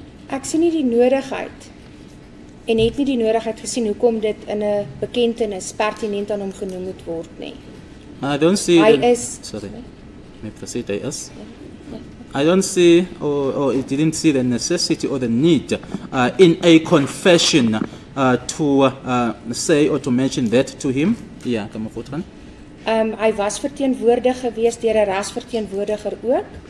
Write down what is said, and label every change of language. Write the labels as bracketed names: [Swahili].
[Afrikaans] Ek sien nie die nodigheid en het nie die nodigheid gesien hoekom dit in 'n bekentenis pertinent aan hom genoem moet word nie. [English] I don't see it. Sorry. May I proceed, I ask? I don't see or it didn't see the necessity or the need in a confession to say or to mention that to him. [Afrikaans] Ja, kan ek voortgaan? Hy was verteenwoordig gewees deur 'n regsverteenwoordiger ook.